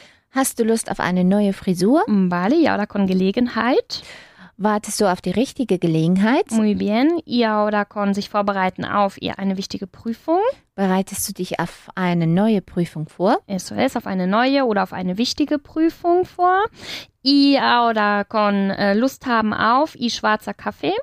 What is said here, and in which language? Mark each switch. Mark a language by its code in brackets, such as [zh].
[de] Hast du Lust auf eine neue Frisur? [es] Vale, y ahora con Gelegenheit. [de] Wartest du auf die richtige Gelegenheit? [es] Muy bien, y ahora con sich vorbereiten auf y [de] eine wichtige Prüfung. Bereitest du dich auf eine neue Prüfung vor? [es] Eso es, [de] auf eine neue oder auf eine wichtige Prüfung vor. [es] Y ahora con Lust haben auf y [de] schwarzer Kaffee.